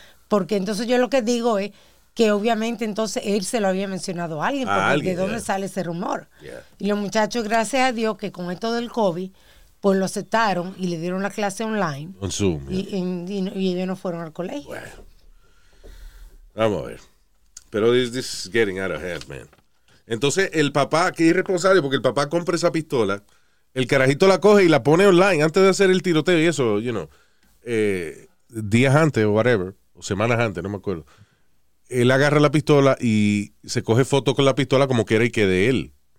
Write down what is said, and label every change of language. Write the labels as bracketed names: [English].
[Spanish] Porque entonces yo lo que digo es que obviamente entonces él se lo había mencionado a alguien. Porque a alguien, ¿de dónde sale ese rumor? Yeah. Y los muchachos, gracias a Dios, que con esto del COVID, pues lo aceptaron y le dieron la clase online. [English] On Zoom. [Spanish] Y ellos no fueron al colegio. Bueno. Vamos a ver. [English] Pero this is getting out of hand, man. [Spanish] Entonces, el papá, que es irresponsable, porque el papá compra esa pistola, el carajito la coge y la pone online antes de hacer el tiroteo y eso, you know, días antes o whatever, o semanas antes, no me acuerdo. Él agarra la pistola y se coge foto con la pistola como que era y que de él.